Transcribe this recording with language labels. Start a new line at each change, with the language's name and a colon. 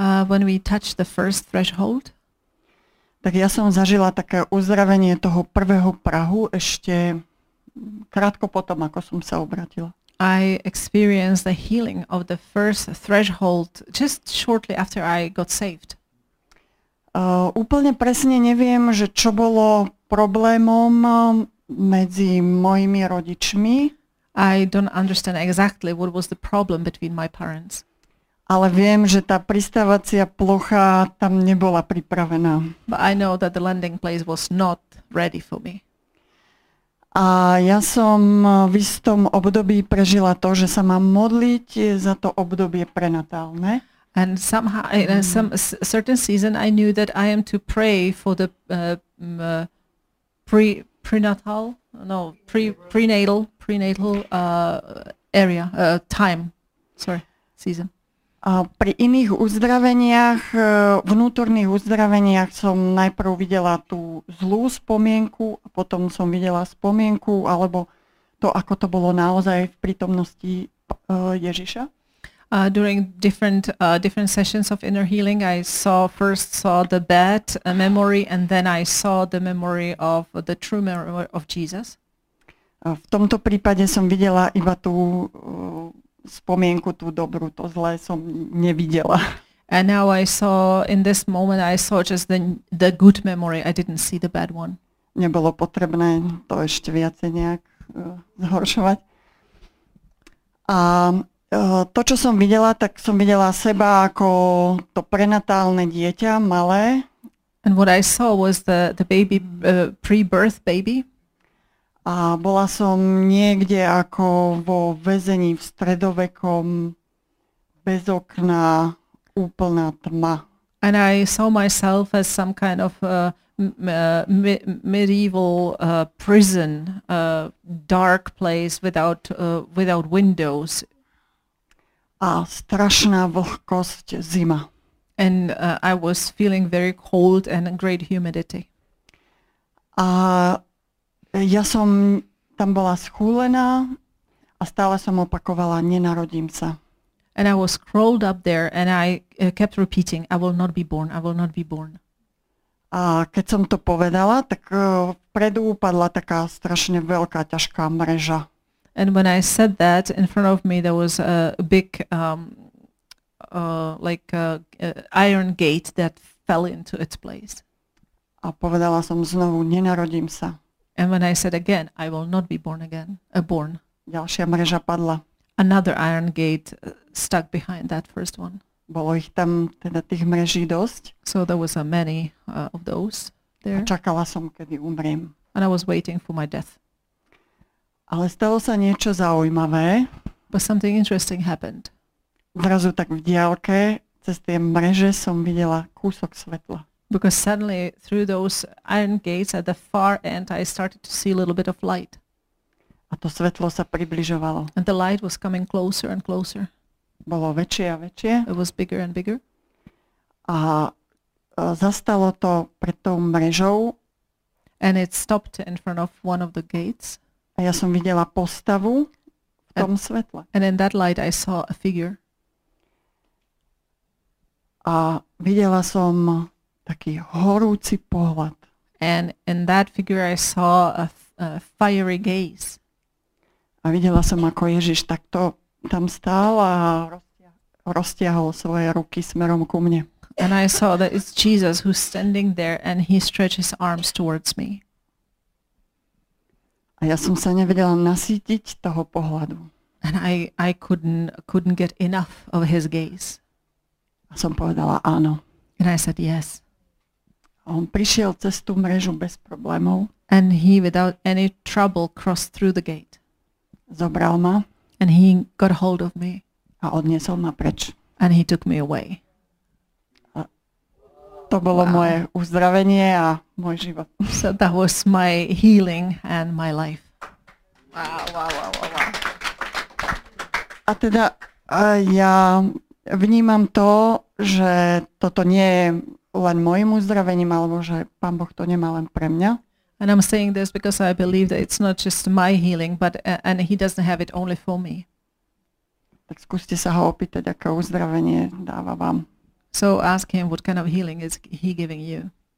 English: when we touched the first threshold,
Slovak: tak ja som zažila také uzdravenie toho prvého prahu ešte krátko potom, ako som sa obratila.
English: I experienced the healing of the first threshold just shortly after I got saved.
Slovak: Úplne presne neviem, že čo bolo problémom medzi mojimi rodičmi.
English: I don't understand exactly what was the problem between my parents.
Slovak: Ale viem, že tá pristávacia plocha tam nebola pripravená.
English: But I know that the landing place was not ready for me.
Slovak: A ja som v istom období prežila to, že sa mám modliť za to obdobie prenatálne.
English: And somehow in a certain season I knew that I am to pray for the prenatal season.
Slovak: A pri iných uzdraveniach, vnútorných uzdraveniach som najprv videla tú zlú spomienku, potom som videla spomienku alebo to, ako to bolo naozaj v prítomnosti Ježiša.
English: During different sessions of inner healing, I first saw the bad memory, and then I saw the memory of the true memory of Jesus.
Slovak: V tomto prípade som videla iba tú spomienku, tú dobrú, to zlé som nevidela.
English: And now I saw, in this moment, I saw just the good memory. I didn't see the bad one.
Slovak: Nebolo potrebné to ešte viacej nejak zhoršovať. A to, čo som videla, tak som videla seba ako to prenatálne dieťa, malé.
English: And what I saw was the baby, pre-birth baby.
Slovak: A bola som niekde ako vo väzení v stredovekom, bez okna, úplná tma.
English: And I saw myself as some kind of medieval prison, dark place without windows.
Slovak: A strašná vlhkosť, zima.
English: And I was feeling very cold and great humidity.
Slovak: A ja som tam bola schúlená a stále som opakovala, nenarodím sa.
English: And I was crawled up there and I kept repeating, I will not be born, I will not be born.
Slovak: A keď som to povedala, tak vpredu upadla taká strašne veľká, ťažká mreža.
English: And when I said that, in front of me there was a big iron gate that fell into its place.
Slovak: A povedala som znovu, nenarodím sa.
English: And when I said again, I will not be born again, born.
Slovak: Ďalšia mreža padla.
English: Another iron gate stuck behind that first one.
Slovak: Bolo ich tam teda tých mreží dosť.
English: So there was a many of those there.
Slovak: A čakala som, kedy umriem.
English: And I was waiting for my death.
Slovak: Ale stalo sa niečo zaujímavé.
English: But something interesting happened.
Slovak: Zrazu tak v diaľke, cez tie mreže som videla kúsok svetla.
English: Because suddenly through those iron gates at the far end I started to see a little bit of light.
Slovak: A to svetlo sa približovalo.
English: And the light was coming closer and closer.
Slovak: Bolo väčšie a väčšie.
English: It was bigger and bigger.
Slovak: A zastalo to pred tou mrežou.
English: And it stopped in front of one of the gates.
Slovak: A ja som videla postavu v tom svetle.
English: And in that light I saw a figure.
Slovak: A videla som taký horúci pohľad.
English: And in that figure I saw a fiery gaze.
Slovak: A videla som, ako Ježiš takto tam stál a roztiahol svoje ruky smerom ku mne.
English: And I saw that it's Jesus who's standing there and he stretched his arms towards me.
Slovak: A ja som sa nevedela nasýtiť toho pohľadu.
English: And I couldn't get enough of his gaze.
Slovak: A som povedala áno.
English: And I said yes.
Slovak: A on prišiel cez tú mrežu bez problémov.
English: And he without any trouble crossed through the gate.
Slovak: Zobral ma.
English: And he got hold of me.
Slovak: A odniesol ma preč.
English: And he took me away.
Slovak: A to bolo moje uzdravenie a môj život.
English: So that was my healing and my life. Wow.
Slovak: A teda ja vnímam to, že toto nie je len môjim uzdravením, alebo že Pán Boh to nemá len pre mňa.
English: And I'm saying this because I believe that it's not just my healing, but and he doesn't have it only for me.
Slovak: Tak skúste sa ho opýtať, aké uzdravenie dáva vám.
English: So ask him what kind of healing is he giving you.